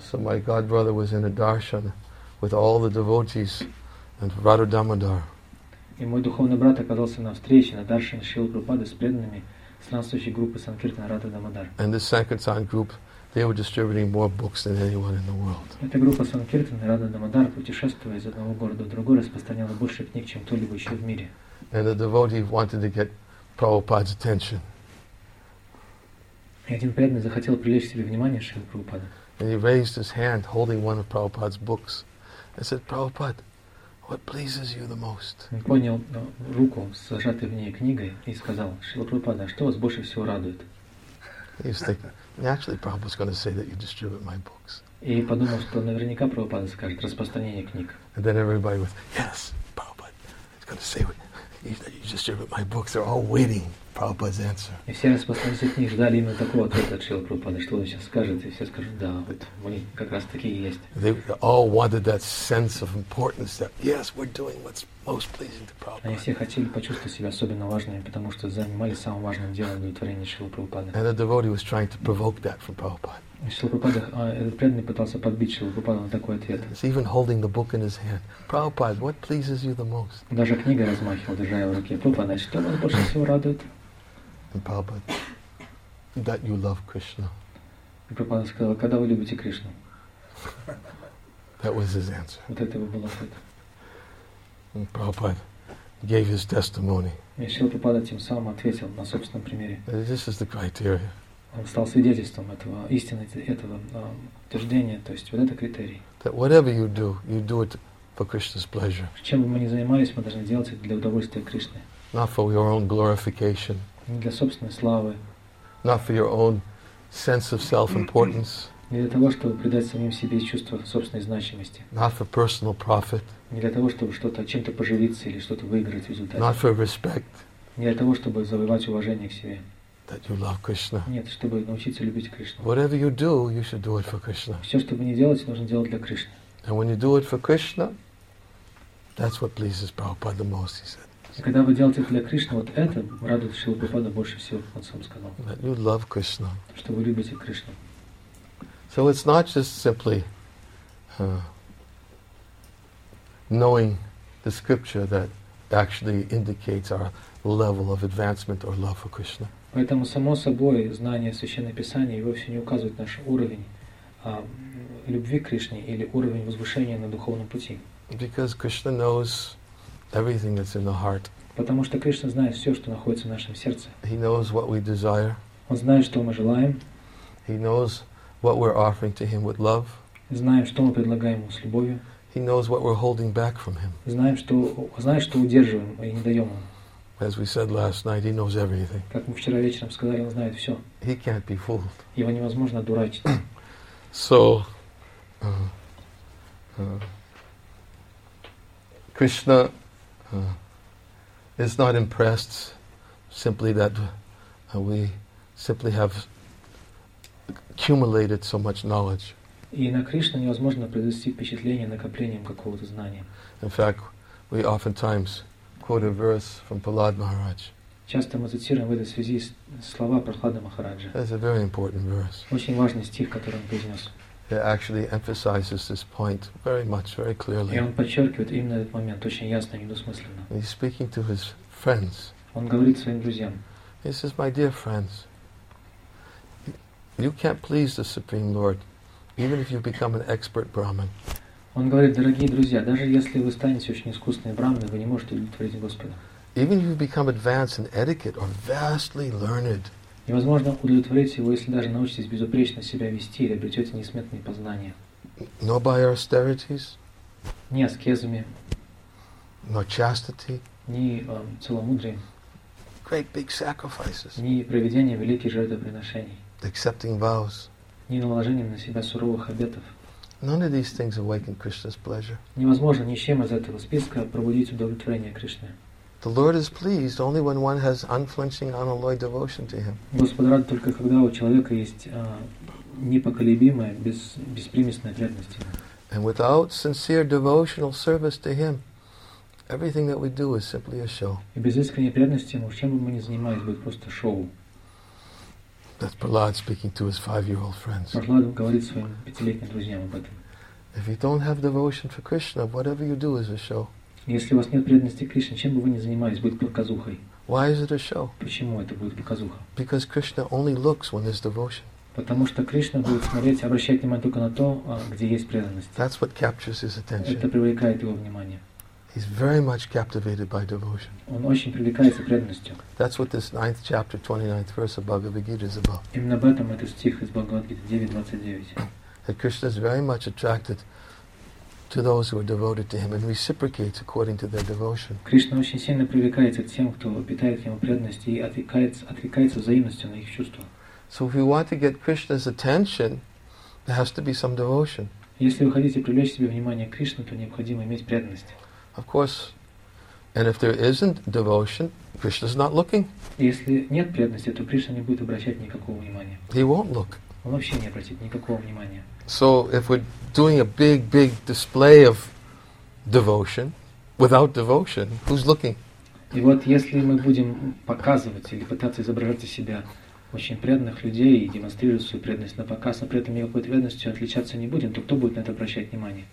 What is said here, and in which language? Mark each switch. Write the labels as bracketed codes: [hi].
[en] So my god brother was in a darshan with all the devotees and Radha Damodar. [ru] И мой духовный брат оказался на встрече на даршане Шрилы Прабхупады с преданными странствующей группы Санкиртана Радха Дамодар. [en] And this Sankirtan group, they were distributing more books than anyone in the world. [ru] Эта группа Санкиртана Радха Дамодар, путешествуя из одного города в другой, распространяла больше книг, чем кто-либо еще в мире. [en] And the devotee wanted to get Prabhupada's attention. [ru] И один преданный захотел привлечь себе внимание Шрилы Прабхупады. [en] And he raised his hand, holding one of Prabhupada's books, and said, "Prabhupada, what pleases you the most?" [ru] Он поднял руку с зажатой в ней книгой и сказал, "Шрила Прабхупада, что вас больше всего радует?" [en] He's thinking, naturally, Prabhupada's going to say that you distribute my books. [ru] И подумал, что наверняка Прабхупада скажет распространение книг. [en] And then everybody was, "Yes, Prabhupada, he's going to say what." You just read my books, they're all waiting for Prabhupada's answer. [ru] И все распространители книг ждали именно такого ответа от Шрилы Прабхупады, что он сейчас скажет, и все скажут, да, вот они как раз такие и есть. [en] They all wanted that sense of importance that, yes, we're doing what's most pleasing to Prabhupada. [ru] Они все хотели почувствовать себя особенно важными, потому что занимались самым важным делом удовлетворения Шрилы Прабхупады. [en] And the devotee was trying to provoke that from Prabhupada. [ru] Этот преданный пытался подбить Шрилу Прабхупаду на такой ответ. [en] He's even holding the book in his hand. Prabhupada, what pleases you the most? [ru] Даже книга размахивал, держа в руке. Прабхупада, что вас больше всего радует? [en] And Prabhupada, that you love Krishna. [ru] И Прабхупада сказал, когда вы любите Кришну? [en] That was his answer. [ru] Вот это его был ответ. [en] And Prabhupada gave his testimony. [ru] И Шрила Прабхупада тем самым ответил на собственном примере. [en] This is the criteria. [ru] Он стал свидетельством этого истины, этого утверждения, то есть вот это критерий. [en] That whatever you do it for Krishna's pleasure. [ru] Чем бы мы ни занимались, мы должны делать это для удовольствия Кришны. [en] Not for your own glorification. [ru] Не для собственной славы. [en] Not for your own sense of self-importance. [ru] Не для того, чтобы придать самим себе чувство собственной значимости. [en] Not for personal profit. [ru] Не для того, чтобы что-то чем-то поживиться или что-то выиграть в результате. [en] Not for respect. [ru] Не для того, чтобы завоевать уважение к себе. [en] That you love Krishna. [ru] Нет, чтобы научиться любить Кришну. [en] Whatever you do, you should do it for Krishna. [ru] Все, что бы ни делать, нужно делать для Кришны. [en] And when you do it for Krishna, that's what pleases Prabhupada the most, he said. [ru] И когда вы делаете это для Кришны, вот это радует Шрилу Прабхупаду больше всего, он сам сказал. [en] That you love Krishna. [ru] Что вы любите Кришну. [en] So it's not just simply knowing the scripture that actually indicates our level of advancement or love for Krishna. [ru] Поэтому, само собой, знание Священного Писания вовсе не указывает наш уровень любви к Кришне или уровень возвышения на духовном пути. [en] Because Krishna knows everything that's in the heart. [ru] Потому что Кришна знает все, что находится в нашем сердце. [en] He knows what we desire. [ru] Он знает, что мы желаем. [en] He knows what we're offering to him with love. [ru] Знаем, что мы предлагаем ему с любовью. [en] He knows what we're holding back from him. [ru] Знает, что удерживаем и не даем ему. [en] As we said last night, he knows everything. [ru] Как мы вчера вечером сказали, он знает все. [en] He can't be fooled. [ru] Его невозможно одурачить. [en] So, Krishna is not impressed simply that we simply have accumulated so much knowledge. [ru] И на Кришну невозможно произвести впечатление накоплением какого-то знания. [en] In fact, we oftentimes quote a verse from Prahlad Maharaj. [ru] Часто мы цитируем в этой связи слова Прахлады Махараджа. [en] That's a very important verse. [ru] Очень важный стих, который он произнес. [en] It actually emphasizes this point very much, very clearly. [ru] И он подчеркивает именно этот момент очень ясно и недвусмысленно. [en] He's speaking to his friends. [ru] Он говорит своим друзьям. [en] He says, "My dear friends, you can't please the Supreme Lord, even if you become an expert Brahmin." [ru] Он говорит, дорогие друзья, даже если вы станете очень искусственным брахманом, вы не можете удовлетворить Господа. [en] Even if you become advanced in etiquette or vastly learned. [ru] Невозможно удовлетворить его, если даже научитесь безупречно себя вести или обретете несметные познания. [en] Not by austerities. [ru] Ни аскезами. [en] Nor chastity. [ru] Ни целомудрием. [en] Great big sacrifices. [ru] Ни проведением великих жертвоприношений. [en] Accepting vows. [ru] Ни наложением на себя суровых обетов. [en] None of these things awaken Krishna's pleasure. [ru] Невозможно ничем из этого списка пробудить удовлетворение Кришны. [en] The Lord is pleased only when one has unflinching unalloyed devotion to Him. [ru] Господь рад только когда у человека есть непоколебимая беспримесная преданность. [en] And without sincere devotional service to Him, everything that we do is simply a show. [ru] И без искренней преданности ему, чем бы мы ни занимались, будет просто шоу. [en] That's Prahlad speaking to his five-year-old friends. [ru] Prahlad говорит своим пятилетним друзьям об этом. [en] If you don't have devotion for Krishna, whatever you do is a show. [ru] Если у вас нет преданности Кришне, чем бы вы ни занимались, будет показухой. [en] Why is it a show? [ru] Почему это будет показуха? [en] Because Krishna only looks when there's devotion. [ru] Потому что Кришна будет смотреть, обращать внимание только на то, где есть преданность. [en] That's what captures his attention. [ru] Это привлекает его внимание. [en] He's very much captivated by devotion. [ru] Он очень привлекается преданностью. [en] That's what this 9th chapter, 29th verse of Bhagavad Gita is about. [ru] Именно об этом этот стих из Бхагавад Гиты 9:29. [en] That Krishna is very much attracted to those who are devoted to him and reciprocates according to their devotion. [ru] Кришна очень сильно привлекается к тем, кто питает к нему преданность и откликается взаимностью на их чувства. [en] So if you want to get Krishna's attention, there has to be some devotion. [ru] Если вы хотите привлечь к себе внимание Кришны, то необходимо иметь преданность. [en] Of course, And if there isn't devotion, Krishna's not looking. [ru] Если нет преданности, то Кришна не будет обращать никакого внимания. [en] He won't look. [ru] Он вообще не обратит никакого внимания. [en] So if we're doing a big, big display of devotion, without devotion, who's looking? [ru] И вот если мы будем показывать или пытаться изображать из себя очень преданных людей и демонстрировать свою преданность на показ, но при этом никакой преданностью отличаться не будем, то кто будет на это обращать внимание?